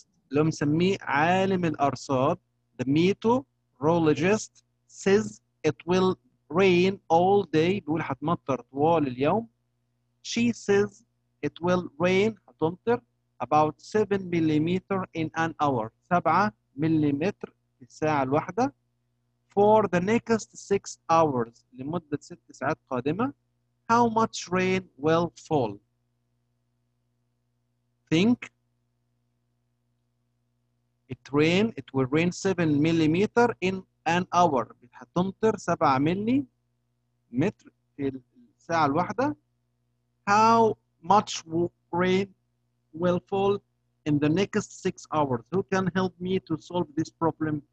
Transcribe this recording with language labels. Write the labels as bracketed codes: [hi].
[ar] اللي مسميه عالم الأرصاد. [en] The meteorologist says it will rain all day. [ar] بيقول هتمطر طوال اليوم. [en] She says it will rain, [ar] هتمطر, [en] about 7 millimeter in an hour. [ar] 7 millimeter في الساعة الواحدة. [en] For the next 6 hours, [ar] لمدة 6 ساعات قادمة, [en] how much rain will fall? Think. It will rain 7 millimeter in an hour. [ar] هتمطر 7 millimeter في الساعة الواحدة. [en] How much rain will fall in the next 6 hours? Who can help me to solve this problem?